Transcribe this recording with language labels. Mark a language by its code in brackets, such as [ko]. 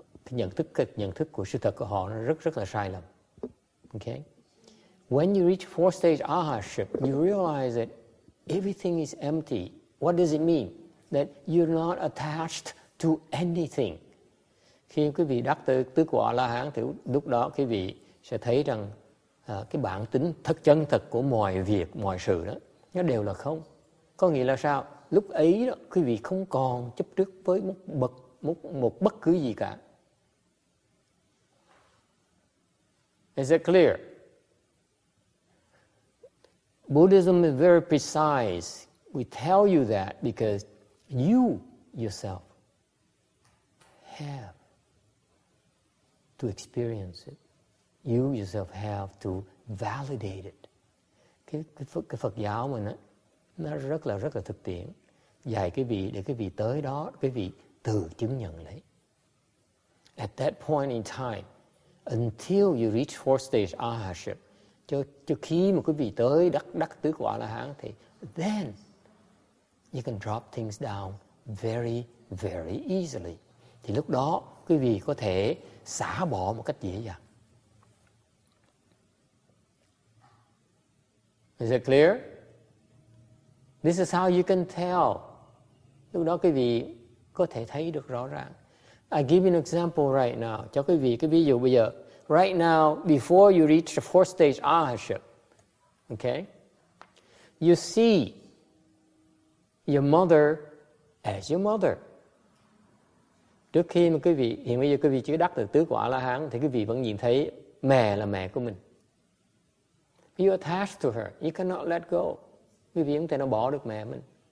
[vi] Nhận thức của sự thật của họ nó rất là sai lầm. [en] Okay? When you reach fourth stage arhatship, you realize that everything is empty. What does it mean? That you're not attached to anything. [vi] Khi quý vị đắc tới tứ quả A-la-hán thì lúc đó quý vị sẽ thấy rằng cái bản tính thật chân thật của mọi việc, mọi sự đó, nó đều là không. Có nghĩa là sao? Lúc ấy đó, quý vị không còn chấp trước với một bất cứ gì cả. [en] Is it clear? Buddhism is very precise. We tell you that because you yourself have to experience it. You yourself have to validate it. [vi] Cái Phật giáo mình á, nó rất là thực tiễn. Dạy cái vị để cái vị tới đó, cái vị tự chứng nhận lấy. [en] At that point in time, until you reach fourth stage arhatship, [vi] cho khi mà quý vị tới đắc tứ quả A-la-hán thì [en] then you can drop things down very, very easily. [vi] Thì lúc đó quý vị có thể xả bỏ một cách dễ dàng. [en] Is it clear? This is how you can tell. [vi] Lúc đó quý vị có thể thấy được rõ ràng. [en] I give you an example right now. [vi] Cho quý vị cái ví dụ bây giờ. [en] Right now, before you reach the fourth stage arahatship, okay, you see your mother as your mother. [vi] Trước khi mà quý vị, hiện bây giờ quý vị chưa đắc được tứ quả A-la-hán, thì quý vị vẫn nhìn thấy mẹ là mẹ của mình. [en] You attached to her. You cannot let go. [vi] Quý vị không thể nào bỏ được mẹ mình.